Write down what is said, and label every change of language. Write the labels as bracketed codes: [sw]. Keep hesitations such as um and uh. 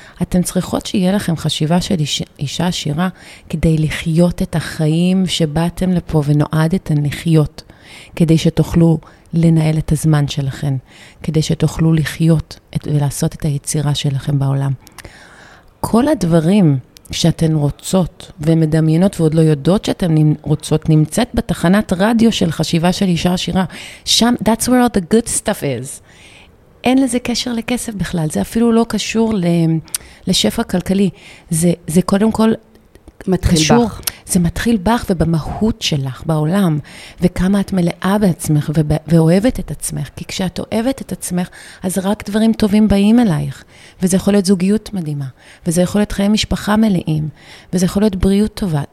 [he] אתן צריכות שיהיה לכם חשיבה של איש, אישה עשירה כדי לחיות את החיים שבאתם לפה ונועדתן לחיות, כדי שתוכלו לנהל את הזמן שלכם, כדי שתוכלו לחיות את, ולעשות את היצירה שלכם בעולם. כל הדברים... שאתן רוצות ומדמיינות ועוד לא יודעות שאתן רוצות, נמצאת בתחנת רדיו של חשיבה של אישה עשירה. [en] שם, that's where all the good stuff is. [he] אין לזה קשר לכסף בכלל, זה אפילו לא קשור לשפע כלכלי. זה, זה קודם כל... מתחיל קשור, בך. זה מתחיל בך ובמהות שלך בעולם, וכמה את מלאה בעצמך ובע... ואוהבת את עצמך, כי כשאת אוהבת את עצמך, אז רק דברים טובים באים אלייך, וזה יכול להיות זוגיות מדהימה, וזה יכול להיות חיי משפחה מלאים, וזה יכול להיות בריאות טובה.